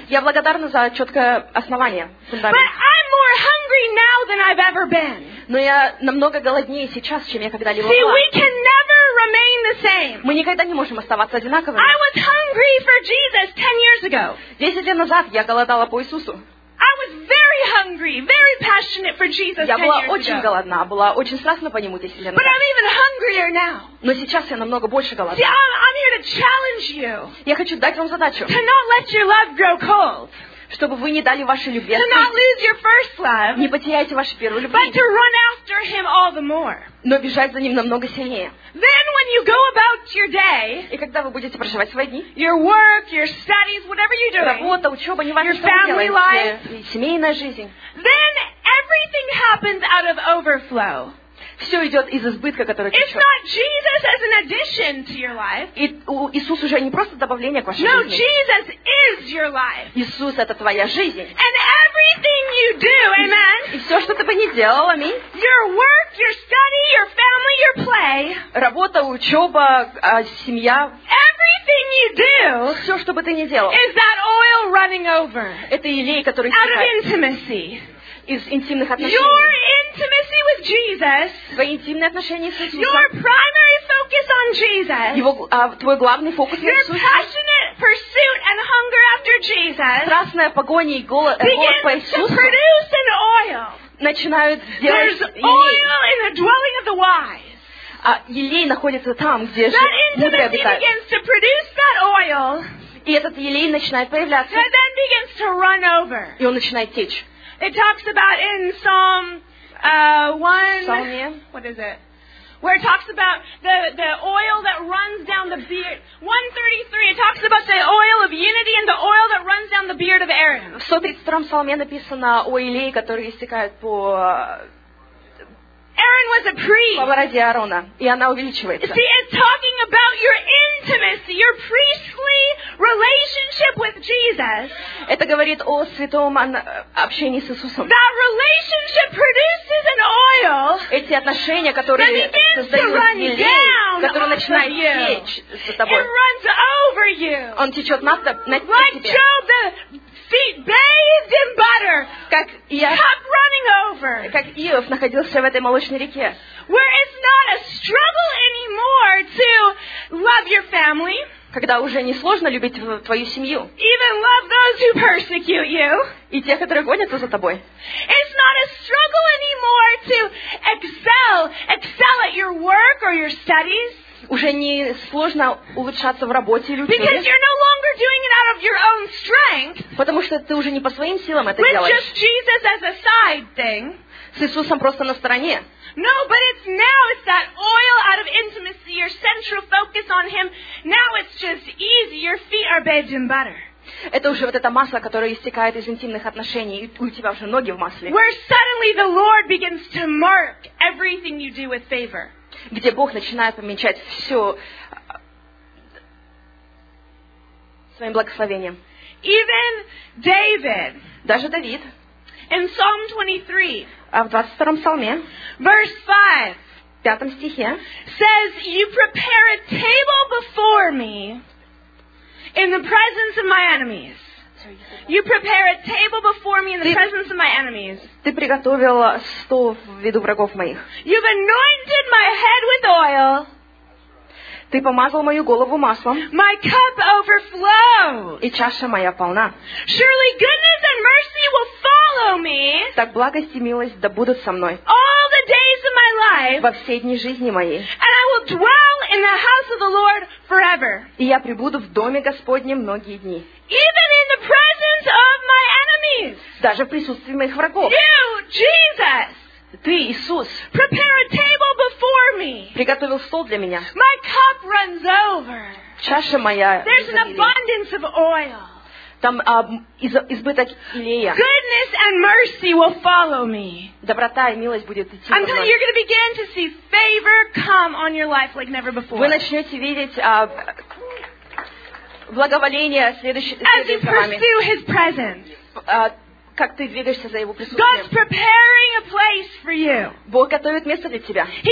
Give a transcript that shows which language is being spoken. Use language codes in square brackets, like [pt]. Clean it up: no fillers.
[ru] Я благодарна за четкое основание. [en] But I'm more hungry now than I've ever been. [ru] Но я намного голоднее сейчас, чем я когда-либо [en] See, [ru] была. [en] We can never remain the same. [ru] Мы никогда не можем оставаться одинаковыми. [en] I was hungry for Jesus 10 years ago. [ru] 10 лет назад я голодала по Иисусу. [en] I was very hungry, very passionate for Jesus. [ru] Я была очень голодна, была очень страстна по нему 10 лет назад. [en] But I'm even hungrier now. [ru] Но сейчас я намного больше голодна. [en] See, I'm here to challenge you. [ru] Я хочу дать вам задачу. [en] To not let your love grow cold. [ru] Чтобы вы не дали вашей любви. [en] To not lose your first love. [ru] Не потеряйте вашу первую любовь. [en] But to run after him all the more. [ru] Но бежать за ним намного сильнее. [en] Then when you go about your day, [ru] и когда вы будете проживать свои дни, [en] your work, your studies, whatever you're doing, [ru] работа, учеба, не важно, [en] your family life, [ru] семейная жизнь, [en] then everything happens out of overflow. [ru] Все идет из избытка, который [en] It's [ru] течет. [en] Not Jesus as an addition to your life. [ru] И Иисус уже не просто добавление к вашей [en] no, [ru] жизни. [en] No, Jesus is your life. [ru] Иисус — это твоя жизнь. [en] And everything you do, amen. [ru] И все, что ты бы ни делал, аминь. [en] Your work, your study, your family, your play. [ru] Работа, учеба, семья. [en] Everything you do. [ru] Все, что бы ты ни делал. [en] Is that oil running over? [ru] Это елей, который стекает. [en] Out of intimacy. [ru] Из интимных отношений. [en] Your intimacy with Jesus. [ru] Твои интимные отношения с Иисусом. [en] Your primary focus on Jesus. [ru] Его, твой главный фокус на Иисусе. [en] Your passionate pursuit and hunger after Jesus. [ru] Страстная погоня и голод по Иисусу. [en] Begins to produce an oil. [ru] Начинают делать. [en] There's oil in the dwelling of the wise. [ru] А елей находится там, где же мудрые обитают. [en] That intimacy begins to produce that oil. [ru] И этот елей начинает появляться. [en] And then begins to run over. [ru] И он начинает течь. [en] It talks about in Psalm 1. Psalm 1. What is it? where it talks about the oil that runs down the beard. 133, it talks about the oil of unity and the oil that runs down the beard of Aaron. [ru] В 132-м псалме написано о елее, который истекает по... [en] Aaron was a priest. [ru] По бороде Аарона, и она увеличивается. [en] See, it's talking about your intimacy, your priestly relationship with Jesus. [ru] Это говорит о святом общении с Иисусом. [en] That relationship produces an oil. [ru] Эти отношения, которые создают елей, которые начинают течь за тобой. [en] It runs over you. [ru] Он течет над тобой. [en] Like Job, the feet bathed in butter. [ru] Как я. [en] Cup running over. [ru] Как Иов находился в этой молочной. [en] Where it's not a struggle anymore to love your family. [ru] Когда уже не сложно любить твою семью. [en] Even love those who persecute you. [ru] И те, которые гонятся за тобой. [en] It's not a struggle anymore to excel at your work or your studies. [ru] Уже не сложно улучшаться в работе или учебе. [en] Because you're no longer doing it out of your own strength. [ru] Потому что ты уже не по своим силам это делаешь. [en] With just Jesus as a side thing. [ru] С Иисусом просто на стороне. [en] No, but it's now it's that oil out of intimacy, your central focus on Him. Now it's just easy. Your feet are bathed in butter. [ru] Это уже вот это масло, которое истекает из интимных отношений, и у тебя уже ноги в масле. [en] Where suddenly the Lord begins to mark everything you do with favor. [ru] Где Бог начинает помечать все своим благословением. [en] Even David. [ru] Даже Давид. [en] In Psalm 23, [ru] а в 22-м псалме, [en] verse 5, [ru] 5-м стихе, [en] says, "You prepare a table before me in the presence of my enemies." You prepare a table before me in the presence of my enemies. [ru] Ты приготовил стол в виду врагов моих. [en] You've anointed my head with oil. [ru] Ты помазал мою голову маслом. [en] My cup overflows. [ru] И чаша моя полна. [en] Surely goodness and mercy will follow me. [ru] Так благость и милость да будут со мной. [en] All the days of my life. [ru] Во все дни жизни моей. [en] And I will dwell in the house of the Lord forever. [ru] И я пребуду в доме Господнем многие дни. [en] Even in the presence of my enemies. [ru] Даже в присутствии моих врагов. [en] You, Jesus. [ru] Ты, Иисус, [en] prepare a table before me. [ru] Приготовил стол для меня. [en] My cup runs over. [ru] Чаша моя. [en] There's an abundance of oil. [ru] Там избыток елея. [en] Goodness and mercy will follow me. [ru] Доброта и милость будет идти. [en] I'm telling you, you're going to begin to see favor come on your life like never before. [ru] Вы начнете видеть благоволение следующее. [en] As you pursue His presence. [ru] Как ты двигаешься за его присутствием? [en] God's preparing a place for you. [ru] Бог готовит место для тебя.